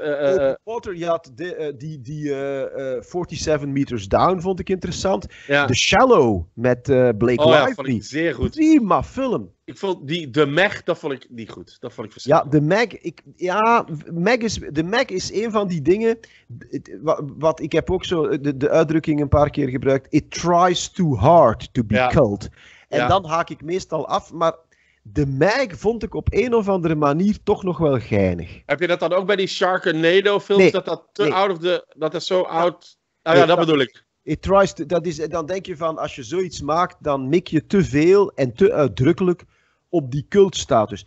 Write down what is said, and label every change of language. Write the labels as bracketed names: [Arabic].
[Dutch] Open Water, je had die 47 Meters Down, vond ik interessant. Ja. The Shallow met Blake Lively. Ja, vond ik zeer goed. Prima film. Ik vond die The Meg, dat vond ik niet goed. Dat vond ik verschrikkelijk. Ja, The Meg is een van die dingen. Wat ik heb ook zo de uitdrukking een paar keer gebruikt. [English] It tries too hard to be cult. [Dutch] En dan haak ik meestal af. Maar The Meg vond ik op een of andere manier toch nog wel geinig. Heb je dat dan ook bij die Sharknado films? Nee. Dat is zo oud. Dat bedoel ik. Dan denk je van, als je zoiets maakt, dan mik je te veel en te uitdrukkelijk op die cultstatus.